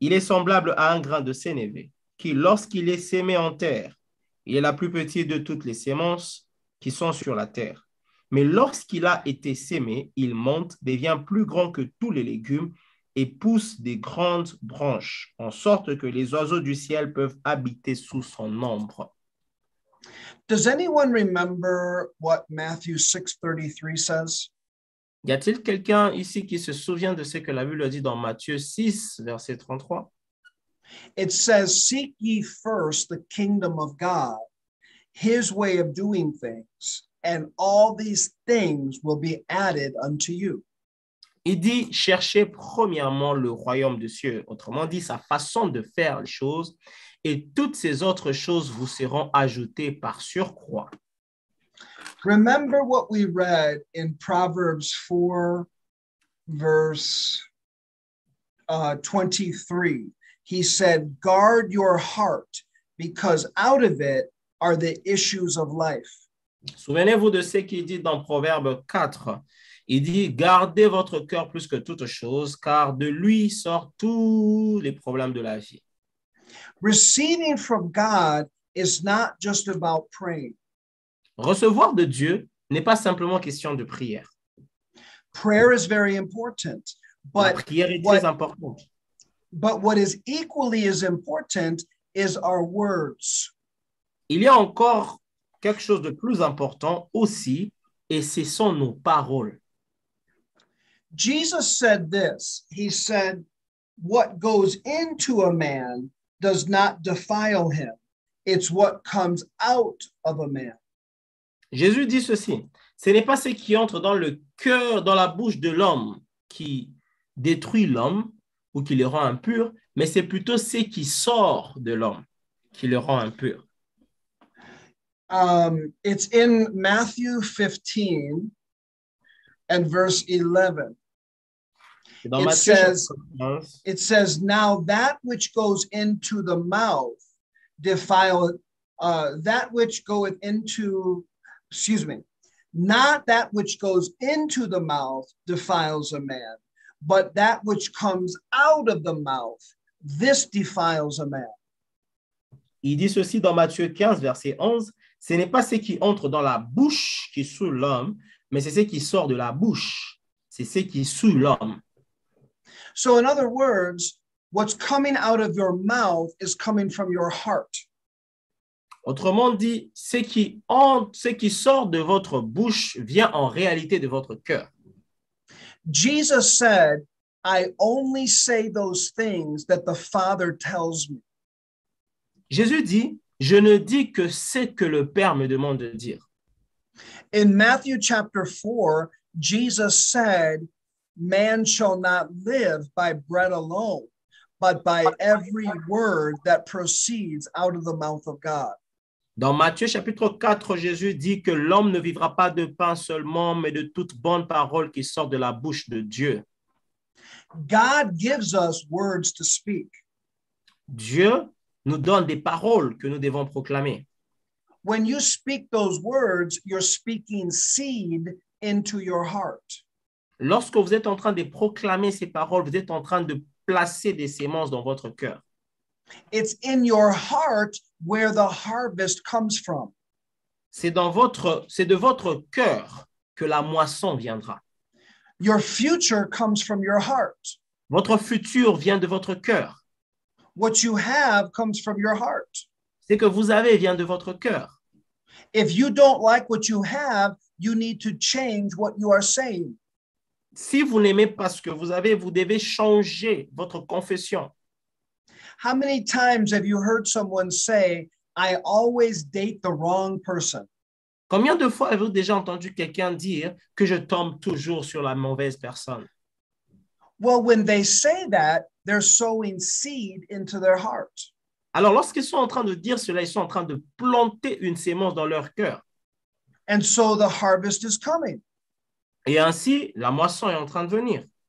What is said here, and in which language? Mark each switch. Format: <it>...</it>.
<fr>Il est semblable à un grain de sénévé qui, lorsqu'il est semé en terre, il est la plus petite de toutes les semences qui sont sur la terre. Mais lorsqu'il a été semé, il monte, devient plus grand que tous les légumes et pousse des grandes branches, en sorte que les oiseaux du ciel peuvent habiter sous son ombre. »</fr> <en>Does anyone remember what Matthew 6:33 says?</en> <fr>Y a-t-il quelqu'un ici qui se souvient de ce que la Bible dit dans Matthieu 6, verset 33?</fr> <en>It says, seek ye first the kingdom of God, his way of doing things, and all these things will be added unto you.</en> <fr>Il dit, cherchez premièrement le royaume de Dieu, autrement dit, sa façon de faire les choses, et toutes ces autres choses vous seront ajoutées par surcroît.</fr> <en>Remember what we read in Proverbs 4, verse 23. He said, guard your heart, because out of it are the issues of life.</en> <fr>Souvenez-vous de ce qu'il dit dans Proverbes 4. Il dit, gardez votre cœur plus que toute chose, car de lui sortent tous les problèmes de la vie.</fr> <en>Receiving from God is not just about praying.</en> <fr>Recevoir de Dieu n'est pas simplement question de prière.</fr> <en>Prayer is very important, but</en> <fr>la prière est très importante.</fr> <en>But what is equally as important is our words.</en> <fr>Il y a encore quelque chose de plus important aussi, et ce sont nos paroles.</fr> <en>Jesus said this. He said, what goes into a man does not defile him. It's what comes out of a man.</en> <fr>Jésus dit ceci, ce n'est pas ce qui entre dans le cœur, dans la bouche de l'homme qui détruit l'homme ou qui le rend impur, mais c'est plutôt ce qui sort de l'homme qui le rend impur.</fr> <en>It's in Matthew 15 and verse 11. It says, now that which goes into the mouth defile, that which goeth into... Excuse me, not that which goes into the mouth defiles a man, but that which comes out of the mouth, this defiles a man.</en> <fr>Il dit ceci dans Matthieu 15, verset 11, ce n'est pas ce qui entre dans la bouche qui soule l'homme, mais c'est ce qui sort de la bouche, c'est ce qui soule l'homme.</fr> <en>So in other words, what's coming out of your mouth is coming from your heart.</en> <fr>Autrement dit, ce qui sort de votre bouche vient en réalité de votre cœur.</fr> <en>Jesus said, I only say those things that the Father tells me.</en> <fr>Jésus dit, je ne dis que ce que le Père me demande de dire.</fr> <en>In Matthew chapter 4, Jesus said, man shall not live by bread alone, but by every word that proceeds out of the mouth of God.</en> <fr>Dans Matthieu chapitre 4, Jésus dit que l'homme ne vivra pas de pain seulement, mais de toute bonne parole qui sort de la bouche de Dieu.</fr> <en>God gives us words to speak.</en> <fr>Dieu nous donne des paroles que nous devons proclamer.</fr> <en>When you speak those words, you're speaking seed into your heart.</en> <fr>Lorsque vous êtes en train de proclamer ces paroles, vous êtes en train de placer des semences dans votre cœur.</fr> <en>It's in your heart where the harvest comes from.</en> <fr>C'est de votre cœur que la moisson viendra.</fr> <en>Your future comes from your heart.</en> <fr>Votre futur vient de votre cœur.</fr> <en>What you have comes from your heart.</en> <fr>Ce que vous avez vient de votre cœur.</fr> <en>If you don't like what you have, you need to change what you are saying.</en> <fr>Si vous n'aimez pas ce que vous avez, vous devez changer votre confession.</fr> <en>How many times have you heard someone say, I always date the wrong person?</en> <fr>Combien de fois avez-vous déjà entendu quelqu'un dire que je tombe toujours sur la mauvaise personne?</fr> <en>Well, when they say that, they're sowing seed into their heart.</en> <fr>Alors, lorsqu'ils sont en train de dire cela, ils sont en train de planter une semence dans leur cœur.</fr> <en>And so the harvest is coming.</en> <fr>Et ainsi, la moisson est en train de venir.</fr>